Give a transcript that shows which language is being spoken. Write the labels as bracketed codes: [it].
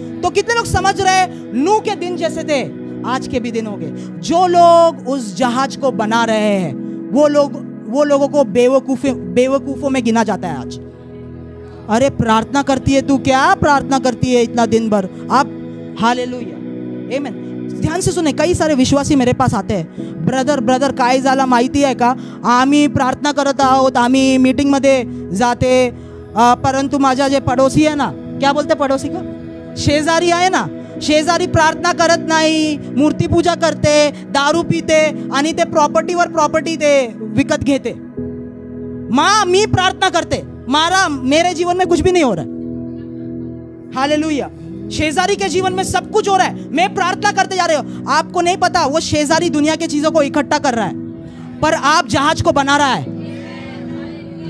[hi] तो कितने लोग समझ रहे, नूह के दिन जैसे थे आज के भी दिन होंगे। जो लोग उस जहाज को बना रहे हैं, वो लोगों को बेवकूफों में गिना जाता है आज। अरे प्रार्थना करती है तू, क्या प्रार्थना करती है इतना दिन भर आप? हालेलुया, आमेन। [mr] ध्यान से सुने, कई सारे विश्वासी मेरे पास आते हैं, ब्रदर काय झाला माहिती आहे का, आम्ही प्रार्थना करत आहोत, आम्ही मीटिंग मध्ये जाते, परंतु माझा जे [hi] पड़ोसी है ना, क्या बोलते पड़ोसी का, [mr] शेजारी आहे ना, शेजारी प्रार्थना करत नाही, मूर्ति पूजा करते, दारू पीते आणि ते प्रॉपर्टी वर प्रॉपर्टी ते विकत घेते। [hi] मां [mr] मी प्रार्थना करते, [hi] मारा मेरे जीवन में कुछ भी नहीं हो रहा है। हालेलुया, शेजारी के जीवन में सब कुछ हो रहा है, मैं प्रार्थना करते जा रहे हो। आपको नहीं पता वो शेजारी दुनिया के चीजों को इकट्ठा कर रहा है, पर आप जहाज को बना रहा है।